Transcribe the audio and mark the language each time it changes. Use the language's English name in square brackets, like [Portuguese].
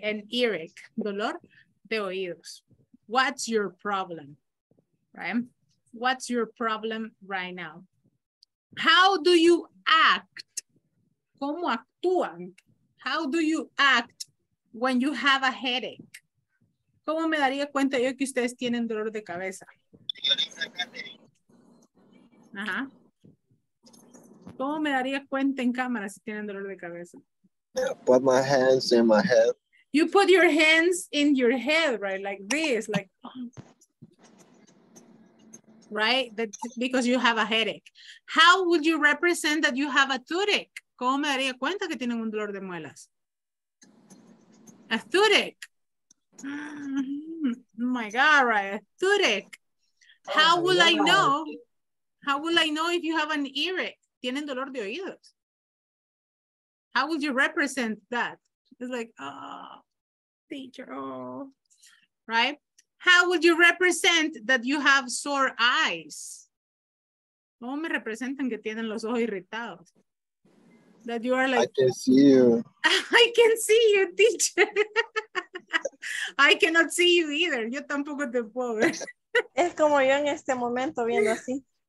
[English] An earache, [Spanish] dolor de oídos. [English] What's your problem, right? What's your problem right now? How do you act? [Spanish] ¿Cómo actúan? [English] How do you act when you have a headache? [Spanish] ¿Cómo me daría cuenta yo que ustedes tienen dolor de cabeza? Ajá. ¿Cómo me daría cuenta en cámara si tienen dolor de cabeza? [English] Put my hands in my head. You put your hands in your head, right? Like this, like. Right? That, because you have a headache. How would you represent that you have a toothache? [Spanish] ¿Cómo me daría cuenta que tienen un dolor de muelas? [English] A toothache. Oh my God, right? A toothache. How will I know? How will I know if you have an earache? [Spanish] Tienen dolor de oídos. [English] How would you represent that? It's like, oh, teacher, oh, right? How would you represent that you have sore eyes? [Spanish] ¿Cómo me representan que tienen los ojos irritados? [English] That you are like, I can see you. I can see you, teacher. I cannot see you either. [Spanish] Yo tampoco te puedo ver. Es como yo en este momento viendo así.